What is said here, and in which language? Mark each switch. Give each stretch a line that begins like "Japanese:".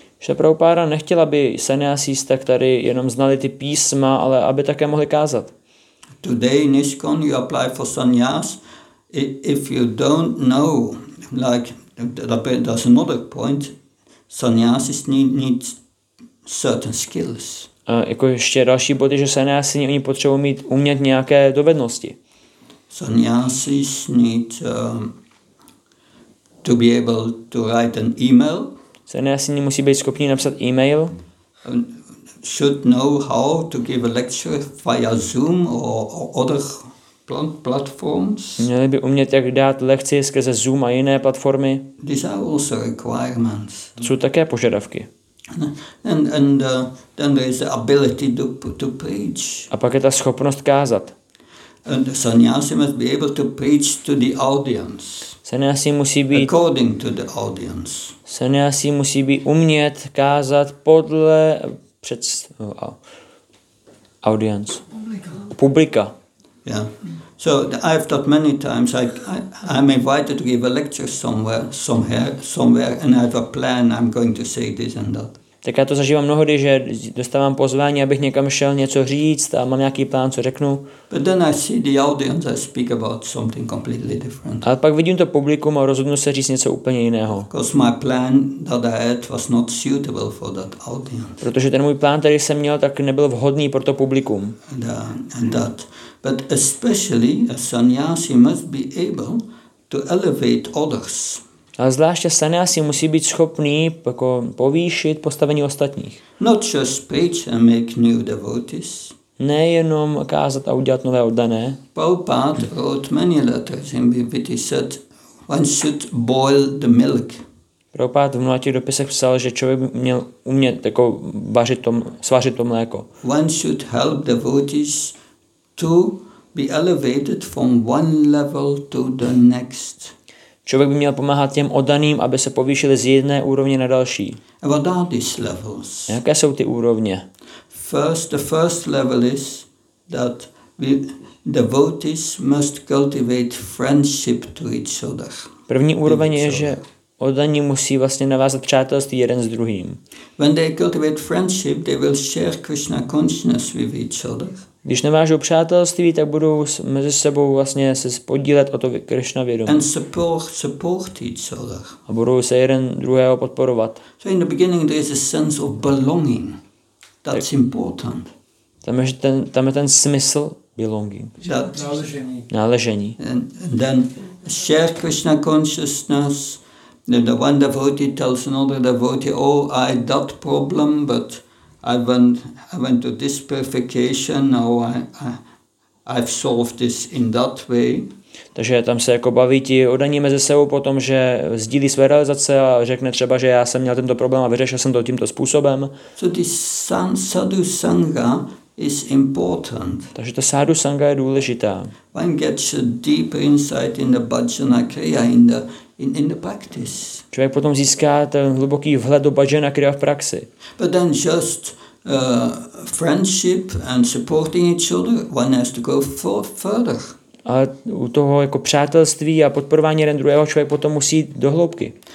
Czech: Že Prabhupada nechtěla, aby sannyasis tak tady jenom znali ty písma, ale aby také mohli kázat.
English: Today in ISKCON you apply for sannyas. If you don't know, like there's another point, sannyasis need certain skills.
Czech: Jako ještě další body, že sannyasini oni potřebují mít umět nějaké dovednosti.
English: Sannyasis need to be able to write an email.
Czech: Sannyasini musí být schopni napsat email.
English: Should know how to give a lecture via Zoom or other platforms.
Czech: Měli by umět jak dát lekci skrze Zoom a jiné platformy.
English: These are also requirements.
Czech: Jsou také požadavky.
English: And then there is the ability to preach.
Czech: A pak je ta schopnost kázat.
English: And the sannyasi must be able to preach to the audience.
Czech: Sanyasi musí být
English: according to the audience.
Czech: Sanyasi musí být umět kázat podle před audience. Publika.
English: Yeah. So I've taught many times. I'm invited to give a lecture somewhere, and I have a plan. I'm going to say this and that.
Czech: Tak já to zažívám mnohdy, že dostávám pozvání, abych někam šel něco říct a mám nějaký plán, co řeknu.
English: But then I see the audience, I speak about something completely different.
Czech: A pak vidím to publikum a rozhodnu se říct něco úplně jiného.
English: Because my plan that I had was not suitable for that audience.
Czech: Protože ten můj plán, který jsem měl, tak nebyl vhodný pro to publikum.
English: And that. But especially a sannyasi must be able to elevate others.
Czech: A zvláště sanyasi musí být schopný jako povýšit postavení ostatních.
English: Not just preach and make new devotees.
Czech: Nejenom kázat a udělat nové oddané.
English: Prabhupada wrote many letters in which he said one should boil the milk.
Czech: Prabhupada v mnoha těch dopisech psal, že člověk by měl umět jako svařit to mléko.
English: One should help devotees to be elevated from one level to the next.
Czech: Člověk by měl pomáhat těm oddaným, aby se povýšili z jedné úrovně na další.
English: What are these levels?
Czech: Jaké jsou ty úrovně?
English: First, the first level is that we devotees must cultivate friendship to each other.
Czech: První úroveň je, že oddaní musí vlastně navázat přátelství jeden s druhým.
English: When they cultivate friendship, they will share Krishna consciousness with each other.
Czech: Když nevážou přátelství, tak budou mezi sebou vlastně se podílet o to Krishna vědomí.
English: And support each other.
Czech: A budou se jeden druhého podporovat.
English: So in the beginning there is a sense of belonging. That's important.
Czech: Tam je ten smysl belonging. Náležení.
English: And then share Krishna consciousness. Then the one devotee tells another devotee, oh, I had that problem, but I went to this purification, now I've solved this in that way.
Czech: Takže tam se jako baví ti oddaní mezi sebou potom, že sdílí své realizace a řekne třeba, že já jsem měl tento problém a vyřešil jsem to tímto způsobem.
English: So this sadhu sangha is important.
Czech: Takže to sadhu sangha je důležitá.
English: One gets a deep insight in the bhajana kriya, in the practice.
Czech: Člověk potom získá ten hluboký vhled do bhajana kriya v praxi.
English: But then just friendship and supporting each other, one has to go further.
Czech: A u toho jako přátelství a podporování jeden druhého člověk potom musí jít do hloubky.